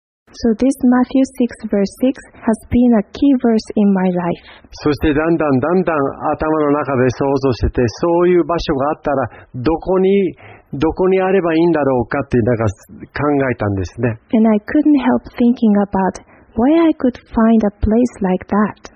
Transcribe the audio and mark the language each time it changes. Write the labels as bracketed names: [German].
[English] So this Matthew 6 verse 6 has been a key verse in my life. [Japanese] そしてだんだんだんだん頭の中で想像してて、そういう場所があったらどこにあればいいんだろうかってなんか考えたんですね。 [English] And I couldn't help thinking aboutWhy I could find a place like that.